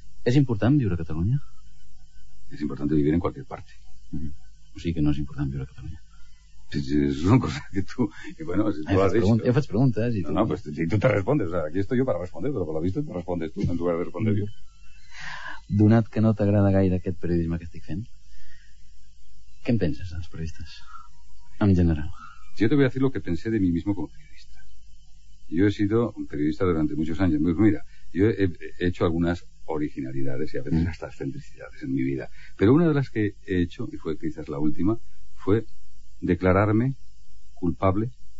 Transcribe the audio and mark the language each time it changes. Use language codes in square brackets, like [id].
[es] ¿Es importante vivir a Cataluña? Es importante vivir en cualquier parte. Pues sí, que no es importante vivir a Cataluña. Son cosas que tú, y bueno, si tú has dicho, [ca] yo faig preguntes, [es] no, pues si tú te respondes, o sea, aquí estoy yo para responder, pero por lo visto te respondes tú en lugar de responder yo. [ca] Donat que no t'agrada gaire aquest periodisme que estic fent, ¿qué en penses dels periodistes en general? [es] Yo te voy a decir lo que pensé de mí mismo como periodista. Yo he sido un periodista durante muchos años. Mira, yo he hecho algunas originalidades y a veces hasta excentricidades en mi vida. Pero una de las que he hecho, y fue quizás la última, fue declararme culpable.